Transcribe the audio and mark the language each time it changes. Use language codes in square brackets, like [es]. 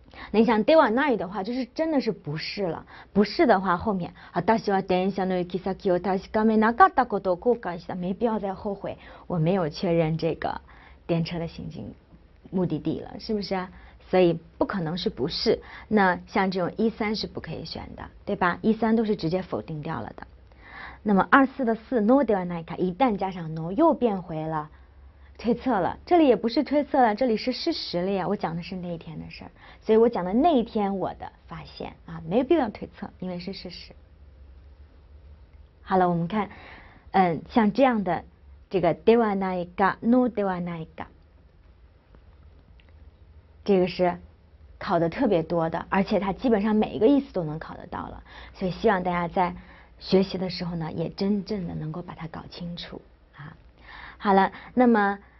[zh] 那你想ではない的话，就是真的是不是了。不是的话，后面啊， [ja] 私は電車の行き先を確かめなかったことを後悔した， [zh] 没必要再后悔，我没有确认这个电车的行进目的地了，是不是啊？所以不可能是不是。那像这种1、3是不可以选的，对吧？ 1、3都是直接否定掉了的。那么2、4的4 no ではないか，一旦加上 no，又变回了。推测了，这里也不是推测了，这里是事实了呀。我讲的是那一天的事儿，所以我讲的那一天我的发现啊，没有必要推测，因为是事实。好了，我们看，像这样的这个ではないか、のではないか，这个是考的特别多的，而且它基本上每一个意思都能考得到了，所以希望大家在学习的时候呢，也真正的能够把它搞清楚啊。好了，那么。